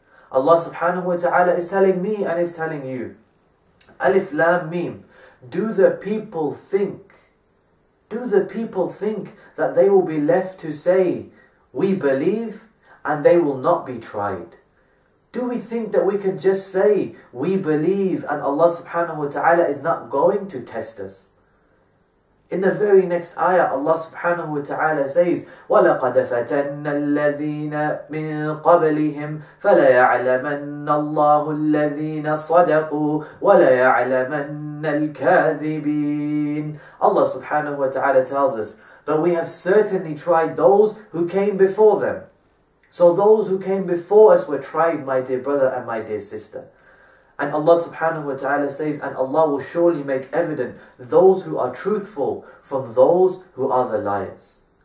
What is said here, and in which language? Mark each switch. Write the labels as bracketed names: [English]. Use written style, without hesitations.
[English] Allah subhanahu wa ta'ala is telling me and is telling you, Alif Lam Mim, do the people think that they will be left to say, we believe, and they will not be tried? Do we think that we can just say, we believe, and Allah subhanahu wa ta'ala is not going to test us? In the very next ayah, Allah subhanahu wa ta'ala says, [Arabic] وَلَقَدْ فَتَنَّ الَّذِينَ مِنْ قَبْلِهِمْ فَلَيَعْلَمَنَّ اللَّهُ الَّذِينَ صَدَقُوا وَلَيَعْلَمَنَّ الْكَاذِبِينَ. [English] Allah subhanahu wa ta'ala tells us, but we have certainly tried those who came before them. So those who came before us were tried, my dear brother and my dear sister. And Allah subhanahu wa ta'ala says, and Allah will surely make evident those who are truthful from those who are the liars.